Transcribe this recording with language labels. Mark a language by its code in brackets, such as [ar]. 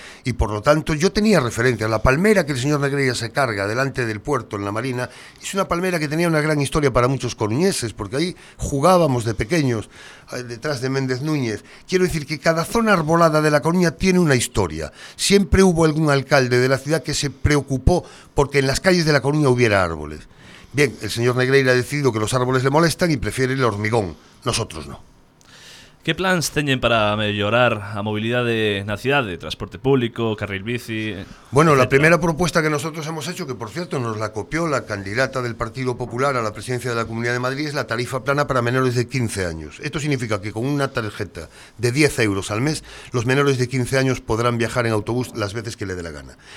[es] Y por lo tanto, yo tenía referencia. La palmera que el señor Negreira se carga delante del puerto en la Marina es una palmera que tenía una gran historia para muchos coruñeses, porque ahí jugábamos de pequeños, detrás de Méndez Núñez. Quiero decir que cada zona arbolada de La Coruña tiene una historia. Siempre hubo algún alcalde de la ciudad que se preocupó porque en las calles de La Coruña hubiera árboles. Bien, el señor Negreira ha decidido que los árboles le molestan y prefiere el hormigón. Nosotros no. [gl] ¿Qué plans teñen para mellorar a mobilidade na cidade? Transporte público, carril bici... [es] Bueno, etcétera. La primera propuesta que nosotros hemos hecho, que por cierto nos la copió la candidata del Partido Popular a la presidencia de la Comunidad de Madrid, es la tarifa plana para menores de 15 años. Esto significa que con una tarjeta de 10 euros al mes, los menores de 15 años podrán viajar en autobús las veces que le dé la gana.